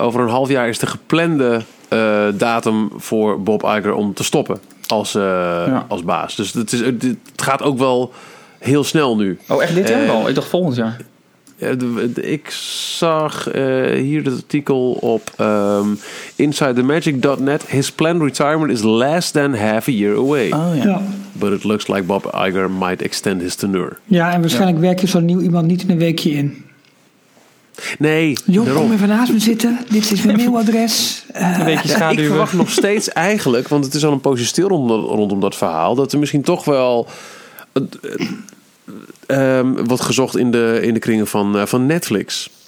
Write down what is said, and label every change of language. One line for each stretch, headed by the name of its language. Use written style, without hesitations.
Dutch: Over een half jaar is de geplande datum voor Bob Iger om te stoppen als baas. Dus het gaat ook wel heel snel nu. Oh, echt dit jaar al? Ik dacht volgend jaar. Ik zag hier het artikel op insidethemagic.net.
English: His planned retirement is less than half a year away.
Dutch: Oh, ja.
English: But it looks like Bob Iger might extend his tenure.
Dutch: Ja, en waarschijnlijk werk je zo'n nieuw iemand niet in een weekje in. Nee, Job, kom even naast me zitten. Dit is mijn mailadres. Ik verwacht nog steeds eigenlijk, want het is al een poosje stil rondom dat verhaal, dat er misschien toch wel wat gezocht in de kringen van Netflix.